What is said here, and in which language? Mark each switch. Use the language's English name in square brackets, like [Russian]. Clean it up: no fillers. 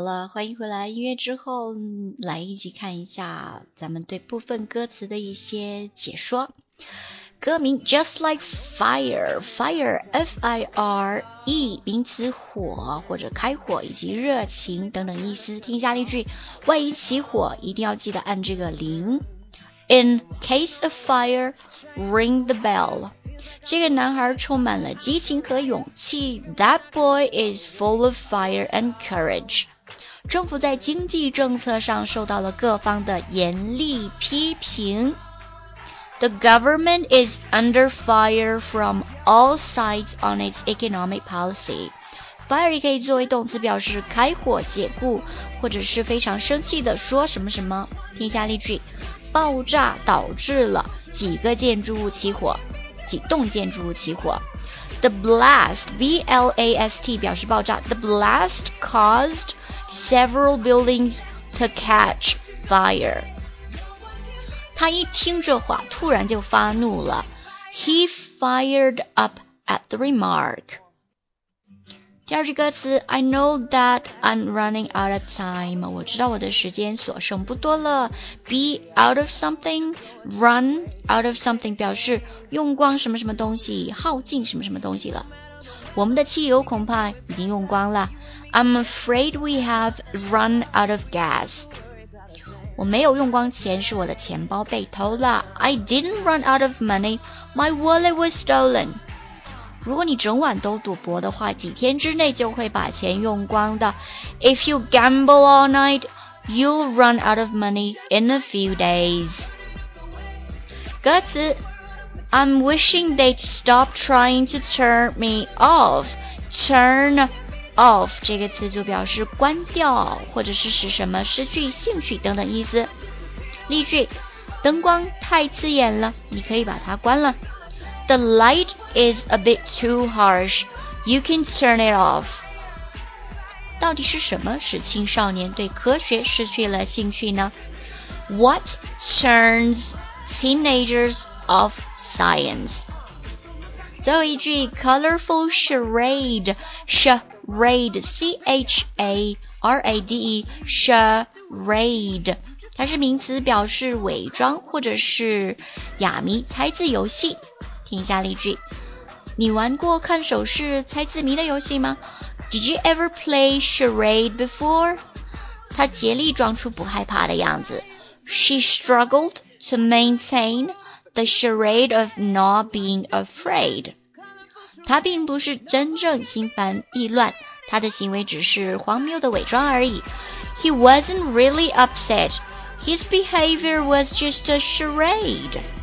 [Chinese] 欢迎回来，音乐之后来一起看一下咱们对部分歌词的一些解说。歌名 Just Like Fire， Fire F-I-R-E 名词火或者开火以及热情等等意思。听一下例句，万一起火一定要记得按这个铃。 [English] In case of fire ring the bell， [Chinese] 这个男孩充满了激情和勇气。 [English] That boy is full of fire and courage。 [Chinese] 政府在经济政策上受到了各方的严厉批评。 [English] The government is under fire from all sides on its economic policy. [Chinese] Fire 也可以作为动词表示开火解雇，或者是非常生气的说什么什么。听一下例句，爆炸导致了几个建筑物起火，几栋建筑物起火。 [English] The blast, B-L-A-S-T [Chinese] 表示爆炸。 [English] The blast caused several buildings to catch fire. [Chinese] 他一听这话，突然就发怒了。 [English] He fired up at the remark. [Chinese] 第二句歌词 [English] I know that I'm running out of time [Chinese] 我知道我的时间所剩不多了 [English] Be out of something [Chinese] Run out of something 表示用光什么什么东西耗尽什么什么东西了我们的汽油恐怕已经用光了 [English] I'm afraid we have run out of gas [Chinese] 我没有用光钱是我的钱包被偷了 [English] I didn't run out of money My wallet was stolen [Chinese] 如果你整晚都赌博的话，几天之内就会把钱用光的。 [English] If you gamble all night, you'll run out of money in a few days. 歌词 I'm wishing they'd stop trying to turn me off. [Chinese] Turn off 这个词就表示关掉，或者是使什么失去兴趣等等意思。例句：灯光太刺眼了，你可以把它关了。 [English] The light is a bit too harsh. You can turn it off. [Chinese] 到底是什么使青少年对科学失去了兴趣呢? [English] What turns teenagers off science? [Chinese] 最后一句 [English] colorful charade. Charade, C-H-A-R-A-D-E, charade. [Chinese] 它是名词表示伪装或者是哑谜猜字游戏。听一下例句，你玩过看手势猜字谜的游戏吗 ？ [English] Did you ever play charade before？ [Chinese] 她竭力装出不害怕的样子。 [English] She struggled to maintain the charade of not being afraid。 [Chinese] 她并不是真正心烦意乱，她的行为只是荒谬的伪装而已。 [English] He wasn't really upset. His behavior was just a charade.